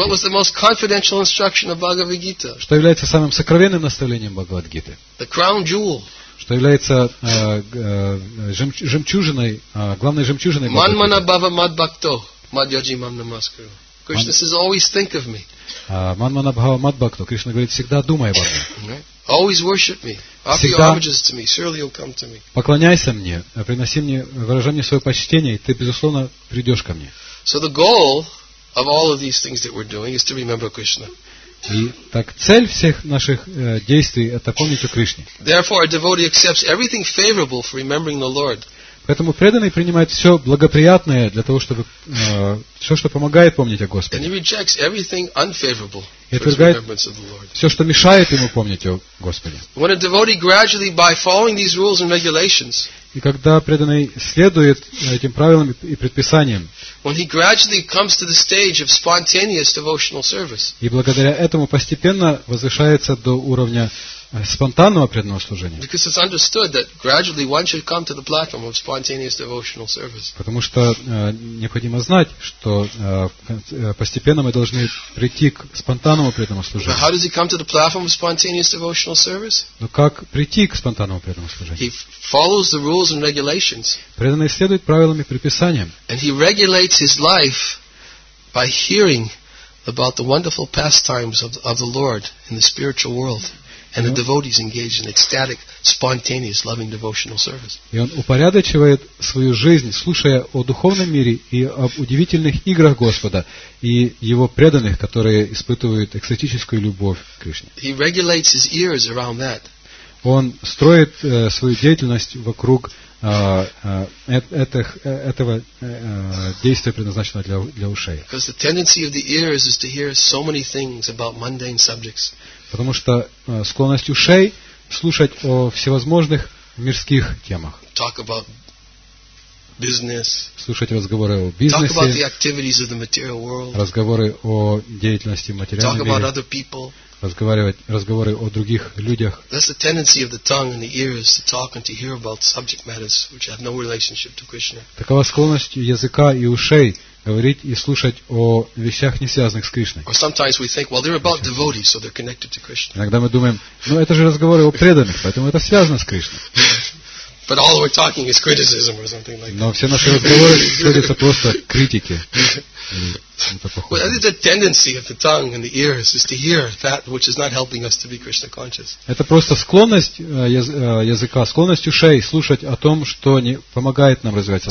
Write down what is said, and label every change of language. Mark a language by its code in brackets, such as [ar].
[en] What was the most confidential instruction of Bhagavad Gita? [ru] Что является самым сокровенным наставлением Бхагавадгиты? [en] The crown jewel. [ru] Что является жемчужиной, главной жемчужиной Бхагавадгиты? [sa] Манмана бхава мад бхакто, мад йоджи мам намаскару. [en] Кришна says, always think of me. [sa] Манмана бхава мад бхакто. [ru] Кришна говорит, всегда думай обо мне. [en] Always worship me. Offer your homages to me. Surely you'll come to me. [ru] Поклоняйся мне, приноси мне, выражай мне свое почтение, и ты, безусловно, придешь ко мне. [en] So the goal of all of these things that we're doing is to remember Krishna. [ru] И так цель всех наших действий это помнить о Кришне. [en] Therefore, a devotee accepts everything favorable for remembering the Lord. [ru] Поэтому преданный принимает все благоприятное для того, чтобы все, что помогает помнить о Господе. [en] And he rejects everything unfavorable for his remembrance of the Lord. [ru] Все, что мешает ему помнить о Господе. [en] When a devotee gradually by following these rules and regulations. [ru] И когда преданный следует этим правилам и предписаниям, [en] when he gradually comes to the stage of spontaneous devotional service, [ru] и благодаря этому постепенно возвышается до уровня спонтанного преданного служения, [en] because it's understood that gradually one should come to the platform of spontaneous devotional service. [ru] Потому что необходимо знать, что постепенно мы должны прийти к спонтанному преданному служению. [en] But how does he come to the platform of spontaneous devotional service? [ru] Но как прийти к спонтанному преданному служению? [en] He follows the rules and regulations. [ru] Преданный следует правилам и предписаниям. [en] And he regulates his life by hearing about the wonderful pastimes of the Lord in the spiritual world. And the devotees engage in ecstatic, spontaneous, loving devotional service. [ru] И он упорядочивает свою жизнь, слушая о духовном мире и об удивительных играх Господа и его преданных, которые испытывают экстатическую любовь к Кришне. [en] He regulates his ears around that. [ru] Он строит свою деятельность вокруг этого действия, предназначенного для ушей. [en] Because the tendency of the ears is to hear so many things about mundane subjects. [ru] Потому что склонность ушей слушать о всевозможных мирских темах. [en] Talk about business. [ru] Слушать разговоры о бизнесе. [en] Talk about the activities of the material world. [ru] Разговоры о деятельности материальном мире. [en] Talk about other people. [ru] Разговоры о других людях. [en] That's the tendency of the tongue and the ears to talk and to hear about subject matters which have no relationship to Krishna. [ru] Такова склонность языка и ушей говорить и слушать о вещах, не связанных с Кришной. [en] Or sometimes we think, well, they're about devotees, so they're connected to Krishna. [ru] Иногда мы думаем, ну это же разговоры о преданных, поэтому это связано с Кришной. [en] But all we're talking is criticism or something like that. [ru] Но все наши разговоры сводятся просто к критике. [en] Well, that is the tendency of the tongue and the ears is to hear that which is not helping us to be Krishna conscious. [ru] Это просто склонность языка, склонность ушей слушать о том, что не помогает нам развиваться.